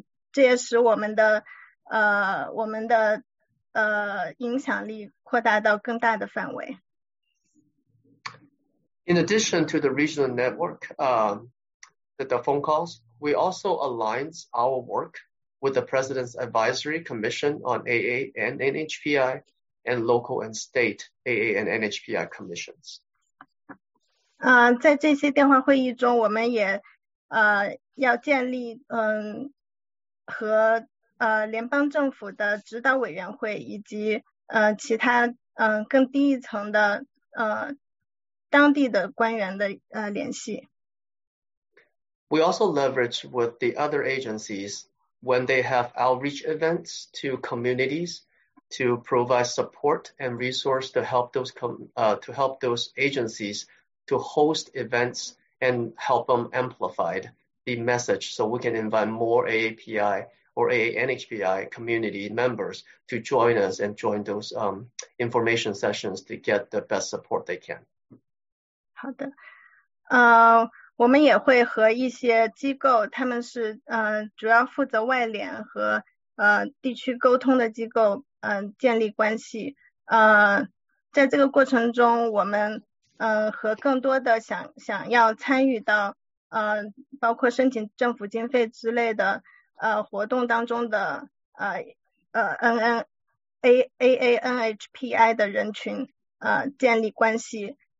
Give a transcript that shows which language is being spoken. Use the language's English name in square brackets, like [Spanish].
[Chinese] 这也使我们的影响力扩大到更大的范围。 [English] In addition to the regional network, the phone calls, we also align our work with the President's Advisory Commission on AA and NHPI and local and state AA and NHPI commissions. [Chinese] 在这些电话会议中，我们也要建立和联邦政府的指导委员会以及其他更低一层的当地的官员的联系。 [English] We also leverage with the other agencies when they have outreach events to communities to provide support and resource to help those agencies to host events and help them amplify the message so we can invite more AAPI or AANHPI community members to join us and join those information sessions to get the best support they can. [Chinese] 好的，我们也会和一些机构，他们是主要负责外联和地区沟通的机构，建立关系。在这个过程中，我们和更多的想要参与到包括申请政府经费之类的活动当中的AANHPI 的人群建立关系。